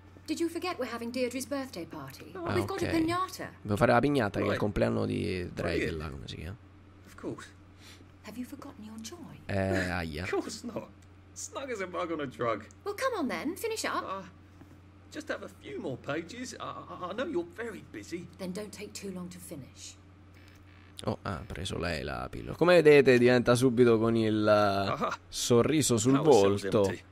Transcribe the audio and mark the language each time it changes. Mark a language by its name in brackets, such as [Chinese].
[English] Did you forget we're having Deirdre's birthday party? We've got a pignata. [Italian] Devo fare la pignata, che è il compleanno di Dreidel, come si chiama? [English] Have you forgotten your joy? Aia. Of course not. Snug as a bug on a drug. Well, come on then, finish up. Just have a few more pages. I know you're very busy. Then don't take too long to finish. [Italian] Oh, ha preso lei la pillola. Come vedete, diventa subito con il sorriso sul volto.